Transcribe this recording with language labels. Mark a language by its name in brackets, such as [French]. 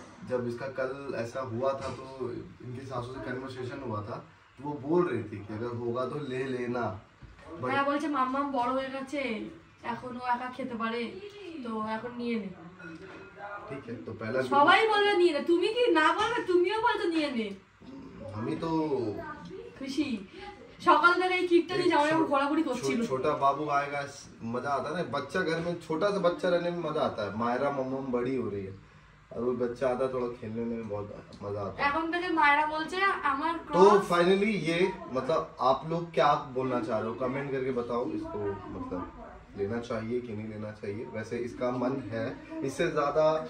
[Hindi] जब इसका कल ऐसा हुआ था तो इनके सासू से कन्वर्सेशन हुआ था, वो बोल रही थी कि अगर होगा तो ले लेना, बोलते मामा बड़ो हो गए [Bangla] এখন ও একা খেতে পারে, তো এখন নিয়ে নে। ঠিক আছে তো পহেলা সবাই বলে নিয়ে নে, তুমি কি না বলবে, তুমিও বলতো নিয়ে নে। আমি তো খুশি সকাল থেকে এই কিটটা নিয়ে যাওয়ার আমার ঘোরাঘুরি করছিল। ছোট বাবু [Hindi] आएगा मजा आता है, बच्चा घर में छोटा सा बच्चा रहने में मजा आता है, मायरा मम्मा बड़ी हो रही है और वो बच्चा आता थोड़ा खेलने में बहुत मजा आता [Bangla] है। এখন থেকে মায়রা বলছে আমার ক্রস। তো ফাইনালি [Hindi] ये मतलब आप लोग क्या बोलना चाह रहे हो, कमेंट करके बताओ इसको, मतलब लेना चाहिए कि नहीं लेना चाहिए। वैसे इसका मन है, इससे ज्यादा